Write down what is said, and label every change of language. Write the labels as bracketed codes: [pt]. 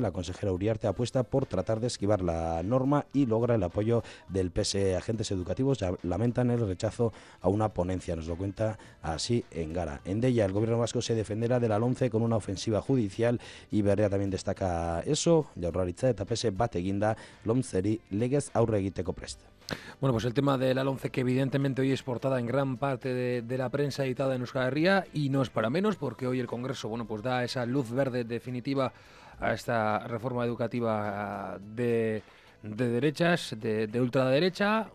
[es] La consejera Uriarte apuesta por tratar de esquivar la norma y logra el apoyo del PSE. Agentes educativos ya lamentan el rechazo a una ponencia. Nos lo cuenta así en Gara. En Deia, el gobierno vasco se defenderá de la LOMCE con una ofensiva judicial. Y Berria también destaca eso. [eu] Ya Jaurlaritza eta PSE bat eginda LOMCEri legez aurre egiteko prest. [es] Bueno, pues el tema de la LOMCE, que evidentemente hoy es portada en gran parte de la prensa editada en Euskal Herria, y no es para menos, porque hoy el Congreso, bueno, pues da esa luz verde definitiva a esta reforma educativa de derechas, de ultraderecha.